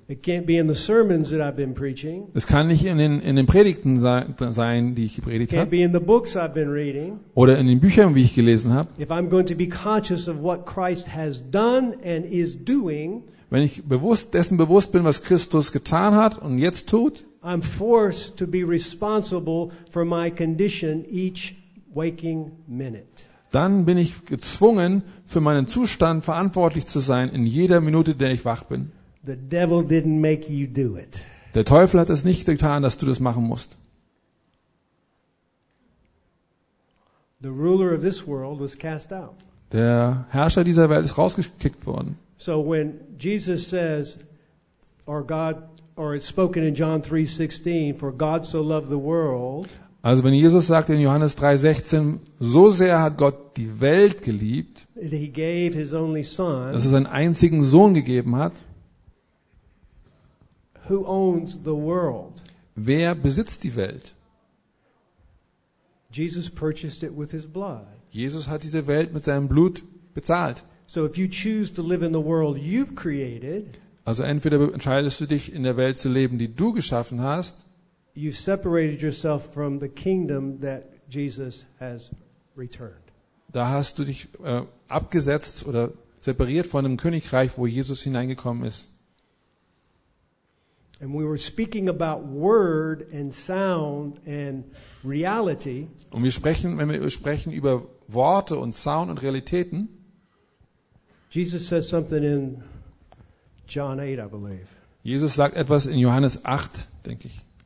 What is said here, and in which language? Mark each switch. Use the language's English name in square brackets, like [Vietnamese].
[English] It can't be in the sermons that I've been preaching. [German] Es kann nicht in den Predigten sein, die ich gepredigt habe. [English] It can't be in the books I've been reading. [German] Oder in den Büchern, wie ich gelesen habe. [English] If I'm going to be conscious of what Christ has done and is doing, [German] wenn ich dessen bewusst bin, was Christus getan hat und jetzt tut, [English] I'm forced to be responsible for my condition each waking minute. [German] Dann bin ich gezwungen, für meinen Zustand verantwortlich zu sein in jeder Minute, in der ich wach bin. [English] The devil didn't make you do it. [German] Der Teufel hat es nicht getan, dass du das machen musst. [English] The ruler of this world was cast out. [German] Der Herrscher dieser Welt ist rausgekickt worden. [English] So when Jesus says, or God, or it's spoken in John 3:16, for God so loved the world. [German] Also wenn Jesus sagt in Johannes 3:16, so sehr hat Gott die Welt geliebt, [English] he gave his only son, [German] dass er seinen einzigen Sohn gegeben hat. [English] Who owns the world? [German] Wer besitzt die Welt? [English] Jesus purchased it with his blood. [German] Jesus hat diese Welt mit seinem Blut bezahlt. [English] So if you choose to live in the world you've created, [German] also entweder entscheidest du dich, in der Welt zu leben, die du geschaffen hast, [English] you separated yourself from the kingdom that Jesus has returned. [German] Da hast du dich abgesetzt oder separiert von dem Königreich, wo Jesus hineingekommen ist. [English] And we were speaking about word and sound and reality. [German] Und wenn wir sprechen über Worte und Sound und Realitäten, [English] Jesus says something in John 8, I believe. [German] Jesus sagt etwas in Johannes 8, denke ich.